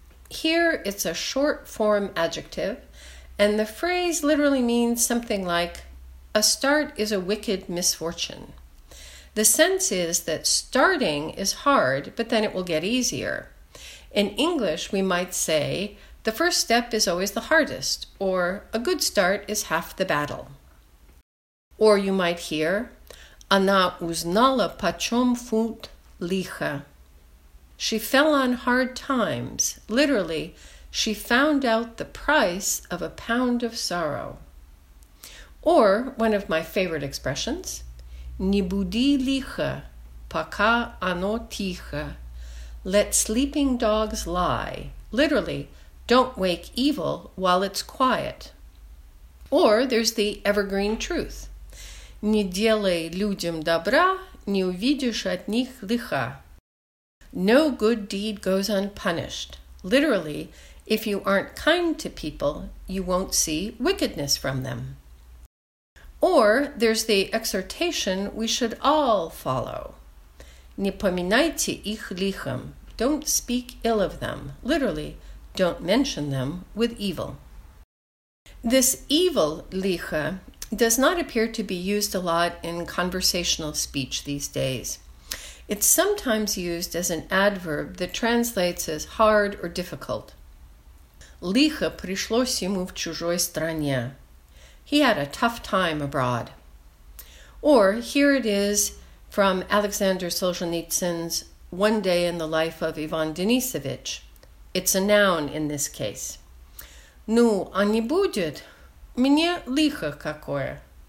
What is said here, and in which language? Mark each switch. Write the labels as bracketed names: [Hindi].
[English] Here it's a short form adjective, and the phrase literally means something like, a start is a wicked misfortune. The sense is that starting is hard, but then it will get easier. In English, we might say, the first step is always the hardest, or a good start is half the battle. Or you might hear, [Russian] она узнала почем фунт лиха. [English] She fell on hard times, literally, she found out the price of a pound of sorrow. Or, one of my favorite expressions, [Russian] не буди лихо, пока оно тихо. [English] Let sleeping dogs lie. Literally, don't wake evil while it's quiet. Or there's the evergreen truth. [Russian] Не делай людям добра, не увидишь от них лиха. [English] No good deed goes unpunished. Literally, if you aren't kind to people, you won't see wickedness from them. Or there's the exhortation we should all follow. [Russian] Не поминайте их лихом. [English] Don't speak ill of them. Literally, don't mention them with evil. This evil licha does not appear to be used a lot in conversational speech these days. It's sometimes used as an adverb that translates as hard or difficult. [Russian] Лихо пришлось ему в чужой стране. [English] He had a tough time abroad. Or here it is from Alexander Solzhenitsyn's One Day in the Life of Ivan Denisovich. It's a noun in this case. [Russian] Ну, а не будет? Мне лихо какое.